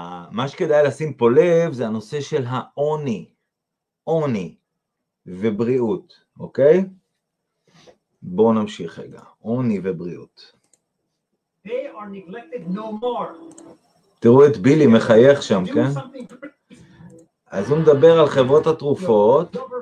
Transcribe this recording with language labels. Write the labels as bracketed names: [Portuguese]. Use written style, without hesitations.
[Hebrew] מה שכדאי לשים פה לב זה הנושא של העוני, עוני ובריאות, אוקיי? בואו נמשיך רגע, עוני ובריאות. [English] They are neglected no more. [Hebrew] תראו את בילי מחייך שם, כן? אז הוא מדבר על חברות התרופות.